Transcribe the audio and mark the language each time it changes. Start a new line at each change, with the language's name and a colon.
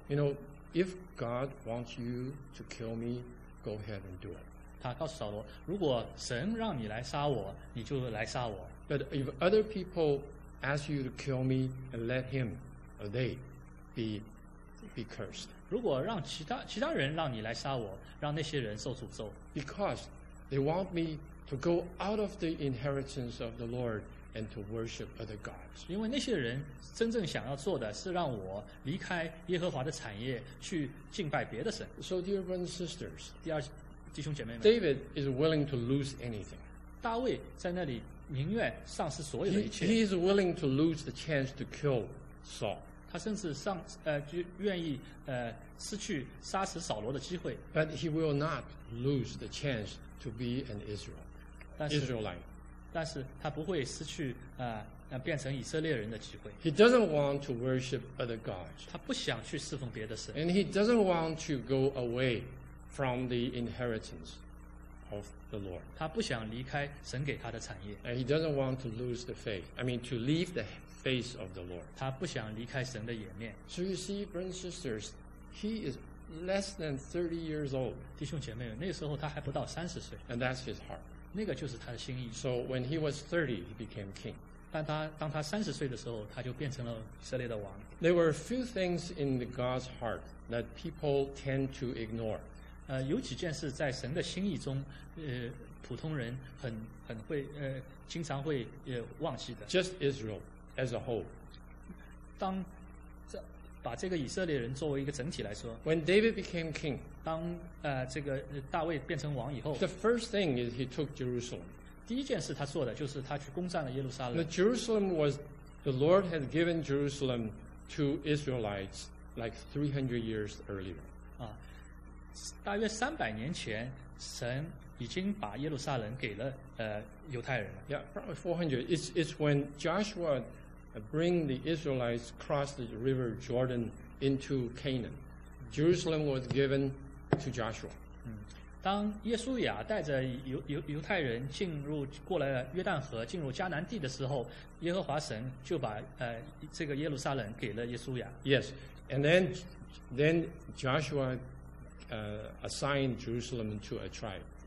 English: You know, if God wants you to kill me, go ahead and do it.
Chinese: 他告诉扫罗，如果神让你来杀我，你就来杀我。
English: But if other people ask you to kill me, and let him or they be cursed.
Chinese: 如果让其他人让你来杀我，让那些人受诅咒。
English: Because they want me to go out of the inheritance of the Lord and to worship other gods.
Chinese: 因为那些人真正想要做的是让我离开耶和华的产业，去敬拜别的神。
English: So dear brothers and sisters,
Chinese: 第二弟兄姐妹们，
English: David is willing to lose anything.
Chinese: 大卫在那里宁愿丧失所有的一切。
English: He is willing to lose the chance to kill Saul.
Chinese: 他甚至就愿意失去杀死扫罗的机会。
English: But he will not lose the chance to be an Israel. Israelite.
Chinese: 但是他不会失去变成以色列人的机会。
English: He doesn't want to worship other gods.
Chinese: 他不想去侍奉别的神。
English: And he doesn't want to go away from the inheritance of the Lord.
Chinese: 他不想离开神给他的产业。
English: And he doesn't want to lose the faith. I mean, to leave the face of the Lord.
Chinese: 他不想离开神的颜面。
English: So you see, brothers and sisters, he is less than 30 years old.
Chinese: 弟兄姐妹们，那时候他还不到30岁。
English: And that's his heart.
Chinese: 那个就是他的心意。
English: So when he was 30, he became king.
Chinese: 但当他30岁的时候，他就变成了以色列的王。
English: There were a few things in God's heart that people tend to ignore.
Chinese: 有几件事在神的心意中，普通人很会经常会忘记的。
English: Just Israel as a whole.
Chinese: 当把这个以色列人作为一个整体来说。
English: When David became king,
Chinese: 当这个大卫变成王以后。
English: The first thing is he took Jerusalem.
Chinese: 第一件事他做的就是他去攻占了耶路撒冷。
English: The Jerusalem was the Lord had given Jerusalem to Israelites like 300 years earlier.
Chinese: 大约300年前，神已经把耶路撒冷给了犹太人了。
English: Yeah, probably 400. It's when Joshua bring the Israelites cross the river Jordan into Canaan. Jerusalem was given to Joshua.
Chinese: 当耶稣亚带着犹太人进入过了约旦河，进入迦南地的时候，耶和华神就把这个耶路撒冷给了耶稣亚。
English: Yes, and then Joshua assigned Jerusalem to a tribe.